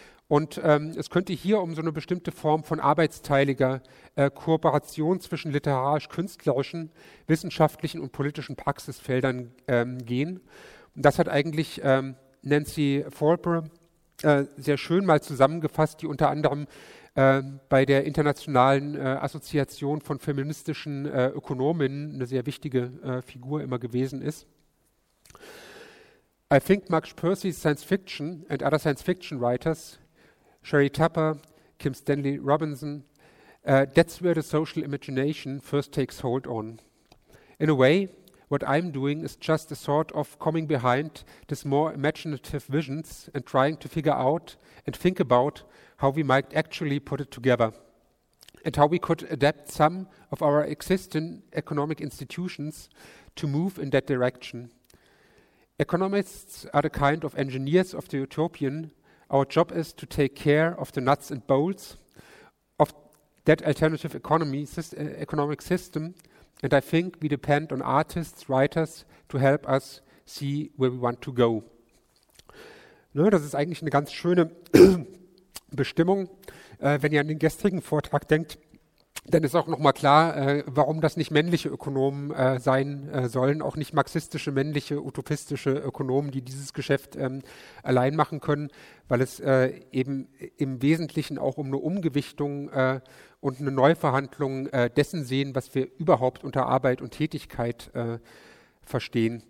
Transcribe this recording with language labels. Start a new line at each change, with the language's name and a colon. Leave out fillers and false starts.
German: Und es könnte hier um so eine bestimmte Form von arbeitsteiliger Kooperation zwischen literarisch-künstlerischen, wissenschaftlichen und politischen Praxisfeldern gehen. Und das hat eigentlich Nancy Faulbrough sehr schön mal zusammengefasst, die unter anderem bei der Internationalen Assoziation von feministischen Ökonomen eine sehr wichtige Figur immer gewesen ist.
English: I think Max Percy's Science Fiction and other Science Fiction writers, Sherry Tupper, Kim Stanley Robinson, that's where the social imagination first takes hold on. In a way, what I'm doing is just a sort of coming behind these more imaginative visions and trying to figure out and think about how we might actually put it together and how we could adapt some of our existing economic institutions to move in that direction. Economists are the kind of engineers of the utopian. Our job is to take care of the nuts and bolts of that alternative economic system, and I think we depend on artists, writers to help us see where we want to go.
German: Ne, das ist eigentlich eine ganz schöne Bestimmung. Wenn ihr an den gestrigen Vortrag denkt, dann ist auch nochmal klar, warum das nicht männliche Ökonomen sein sollen, auch nicht marxistische, männliche, utopistische Ökonomen, die dieses Geschäft allein machen können, weil es eben im Wesentlichen auch um eine Umgewichtung und eine Neuverhandlung dessen sehen, was wir überhaupt unter Arbeit und Tätigkeit verstehen.